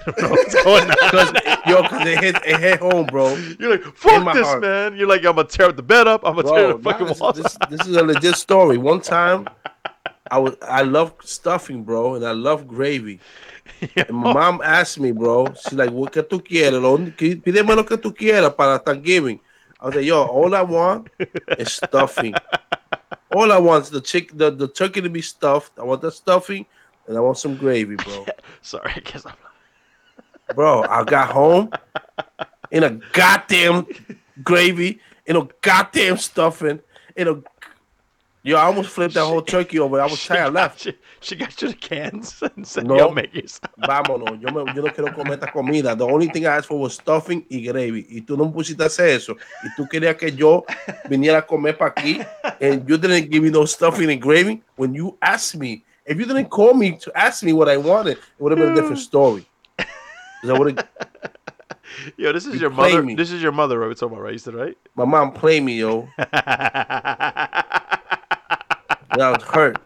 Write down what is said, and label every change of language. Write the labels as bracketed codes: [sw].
[en] Because it hit home, bro. You're like, fuck this, heart. Man. You're like, I'm going to tear up the bed up. I'm going to tear the fucking wall. This is a legit story. One time, I love stuffing, bro, and I love gravy. And my mom asked me, bro. She's like, what que tú quieres? [es] Pídeme lo que tú quieres para Thanksgiving. [en] I was like, yo, all I want is stuffing. All I want is the turkey to be stuffed. I want the stuffing. And I want some gravy, bro. Sorry, I guess I'm not. Bro, I got home in a goddamn gravy, in a goddamn stuffing, in a... Yo, I almost flipped that whole turkey over. I was tired. I left. She got you the cans and said, yo, make yourself. [es] Vámonos. Yo no quiero comer esta comida. [en] The only thing I asked for was stuffing y gravy. [es] Y tú no me pusiste a hacer eso. Y tú querías que yo viniera a comer para aquí. [en] And you didn't give me no stuffing and gravy when you asked me. If you didn't call me to ask me what I wanted, it would have been a different story. Yo, this is your mother. Me. This is your mother, right? We're talking about, right? You said, right? My mom played me, yo. And I was hurt.